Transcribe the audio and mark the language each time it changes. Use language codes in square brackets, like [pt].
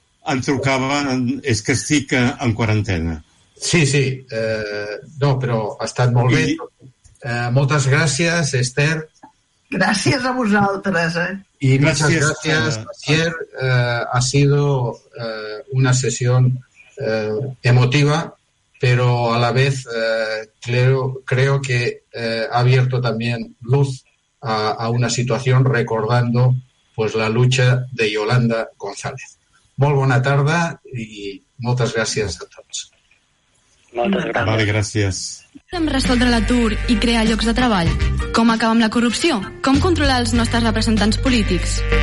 [ca] Em trucava, és que estic en quarantena. Sí, sí. No, però ha estat molt bé. Moltes gràcies, Esther. Gràcies a vosaltres. I moltes gràcies, Esther. [es] Ha sido una [ca] sessió [es] emotiva, [ca] però [es] a la vez creo que ha abierto también luz a una situación recordando pues la lucha de Yolanda González. [ca] Molt bona tarda i moltes gràcies a tots. Moltes gràcies. Vale, gràcies. Com resoldre l'atur i crear llocs de treball? Com acabar amb la corrupció? Com controlar els nostres representants polítics?